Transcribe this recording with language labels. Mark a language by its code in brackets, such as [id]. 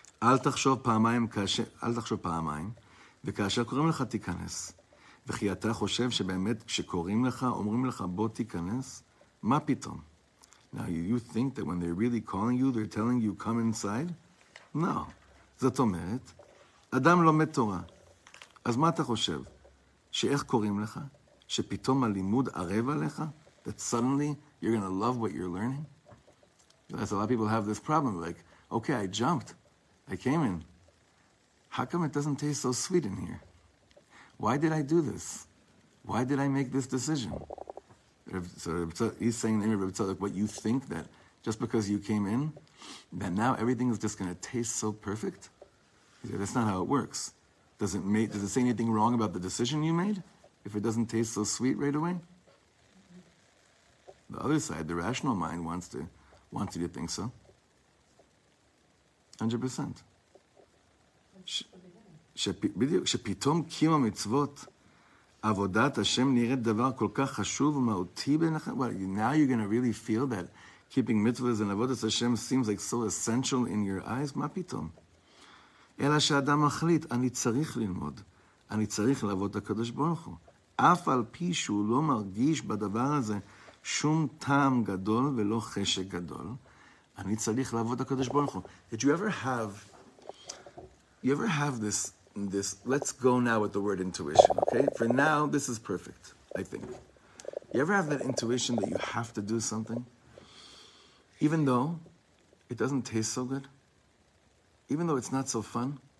[he] אל תחשוב פעמיים, וכאשר קוראים לך תיכנס. וכי אתה חושב שבאמת כשקוראים לך, אומרים לך בוא תיכנס, מה פתאום? [en] Now, you think that when they're really calling you, they're telling you come inside? [he] No. זאת אומרת, אדם לומד תורה. אז מה אתה חושב? שאיך קוראים לך? שפתאום הלימוד ערב עליך? [en] That suddenly you're going to love what you're learning? That's a lot of people have this problem, like, okay, I jumped. I came in. How come it doesn't taste so sweet in here? Why did I do this? Why did I make this decision? So he's saying in the name of Reb Tzadok, what you think that just because you came in, that now everything is just going to taste so perfect? That's not how it works. Does it say anything wrong about the decision you made if it doesn't taste so sweet right away? The other side, the rational mind, wants you to think so. 100%. [he] בדיוק, שפתאום קים המצוות, עבודת השם נראית דבר כל כך חשוב ומהותי ביניכם. [en] Well, now you're going to really feel that keeping mitzvot and עבודת השם seems like so essential in your eyes? [he] מה פתאום? אלא שאדם מחליט, אני צריך ללמוד, אני צריך לעבוד את הקדוש ברוך הוא. אף על פי שהוא לא מרגיש בדבר הזה שום טעם גדול ולא חשק גדול, אני צריך לעבוד הקדוש ברוך הוא. [en] Did you ever have this, let's go now with the word intuition, okay? For now, this is perfect, I think. You ever have that intuition that you have to do something? Even though it doesn't taste so good? Even though it's not so fun?